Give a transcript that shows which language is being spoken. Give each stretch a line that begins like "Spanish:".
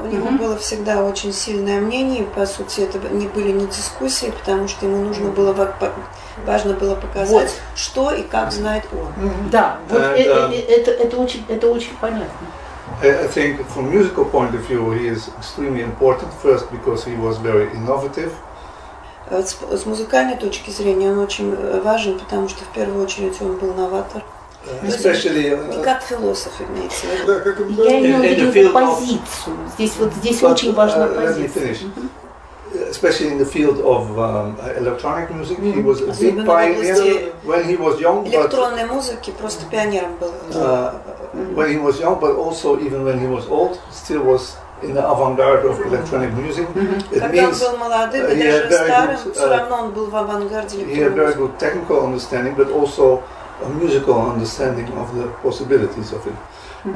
Russian: У него было всегда очень сильное мнение, по сути, это не были не дискуссии, потому что ему нужно было важно было показать, вот. Что и как знает он. Да, вот это очень понятно.
English: I think from musical point of view he is extremely important first because he was very innovative.
Russian: С музыкальной точки зрения он очень важен, потому что в первую очередь он был новатор. Не как философ, имеется в виду. Я имею в виду позицию. Здесь очень важна позиция.
English: Especially in the field of electronic music, he was a big pioneer when he was young.
Russian: Электронной музыки просто пионером был.
English: When he was young, but also even when he was old, still was in the avant-garde of electronic music. It means he had very good technical understanding, but also a musical understanding of the possibilities of it. Mm-hmm.